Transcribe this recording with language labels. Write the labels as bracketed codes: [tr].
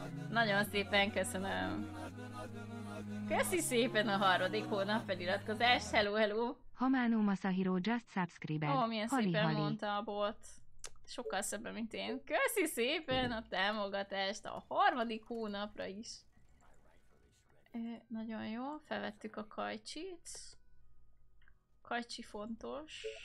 [hu] Nagyon szépen köszönöm. Köszi szépen a harmadik hónap feliratkozás. [en] Hello, hello. Hamano Masahiro just subscribed. [hu] Ó, milyen halli, szépen halli. Mondta a bot. Sokkal szebben, mint én. Köszi szépen a támogatást a harmadik hónapra is. Nagyon jó. Felvettük a kajcsit. Kajcsi fontos.